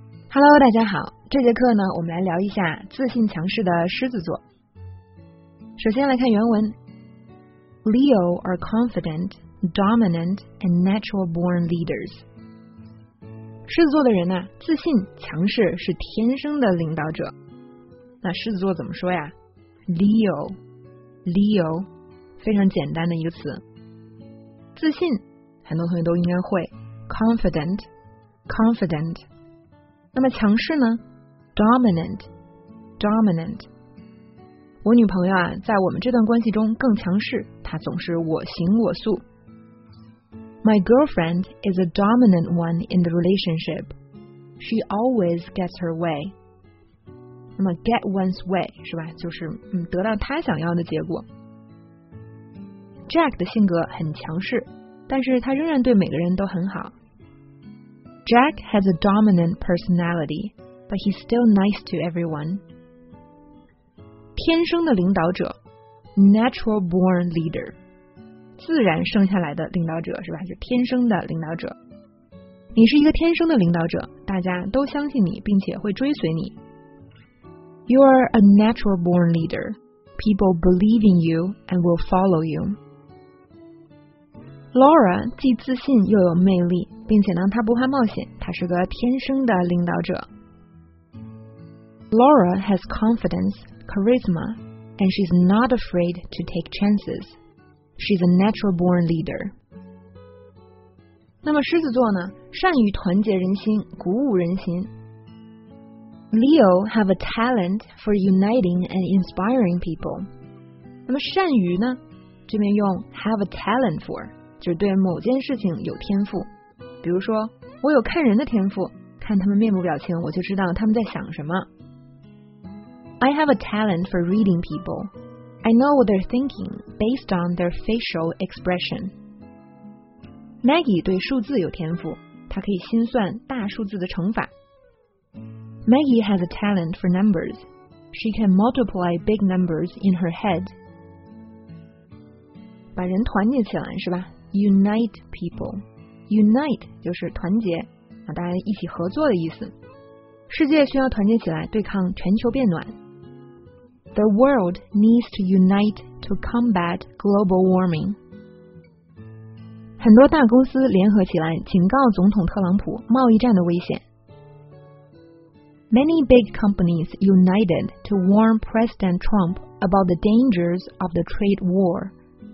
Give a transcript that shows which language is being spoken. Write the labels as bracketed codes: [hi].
[zh] Hello， 大家好，这节课呢，我们来聊一下自信强势的狮子座。首先来看原文 [en] ，Leo are confident, dominant, and natural born leaders。 [zh] 狮子座的人呢，自信强势，是天生的领导者。那狮子座怎么说呀 ？Leo， 非常简单的一个词。自信，很多同学都应该会 ，confident。那么强势呢 ？Dominant。我女朋友啊，在我们这段关系中更强势，她总是我行我素。 [en] My girlfriend is a dominant one in the relationship. She always gets her way. [zh] 那么 get one's way 是吧？就是得到她想要的结果。Jack 的性格很强势，但是他仍然对每个人都很好。 [en] Jack has a dominant personality, but he's still nice to everyone. [zh] 天生的领导者 , [en] natural born leader, [zh] 自然生下来的领导者是吧，是天生的领导者。你是一个天生的领导者，大家都相信你并且会追随你。 [en] You are a natural born leader. People believe in you and will follow you. [zh] Laura 既自信又有魅力，并且呢，她不怕冒险，她是个天生的领导者。 [en] Laura has confidence, charisma, and she's not afraid to take chances. She's a natural-born leader. [zh] 那么狮子座呢，善于团结人心，鼓舞人心。 [en] Leo have a talent for uniting and inspiring people. [zh] 那么善于呢，这边用 have a talent for。就对某件事情有天赋，比如说我有看人的天赋，看他们面部表情我就知道他们在想什么。 [en] I have a talent for reading people. I know what they're thinking based on their facial expression. [zh] Maggie 对数字有天赋，她可以心算大数字的乘法。 [en] Maggie has a talent for numbers. She can multiply big numbers in her head. [zh] 把人团结起来是吧， [en] Unite people. [zh] Unite 就是团结，大家一起合作的意思。世界需要团结起来对抗全球变暖。 [en] The world needs to unite to combat global warming. [zh] 很多大公司联合起来警告总统特朗普贸易战的危险。 [en] Many big companies united to warn President Trump about the dangers of the trade war.